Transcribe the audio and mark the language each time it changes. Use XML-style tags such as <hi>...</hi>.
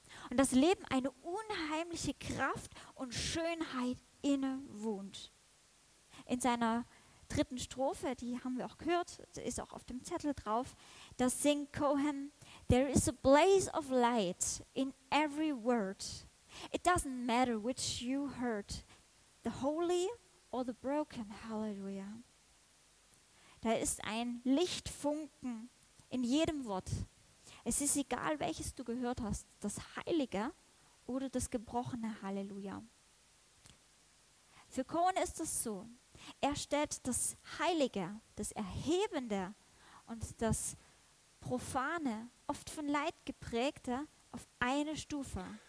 <de>Und das Leben eine unheimliche Kraft und Schönheit innewohnt. In seiner dritten Strophe, die haben wir auch gehört, ist auch auf dem Zettel drauf, da singt Cohen:</de> <en>There is a blaze of light in every word. It doesn't matter which you hurt, the holy or the broken, hallelujah.</en> <de>Da ist ein Lichtfunken in jedem Wort. Es ist egal, welches du gehört hast, das Heilige oder das Gebrochene, Halleluja. Für Cohen ist es so, er stellt das Heilige, das Erhebende und das Profane, oft von Leid geprägte, auf eine Stufe.</de>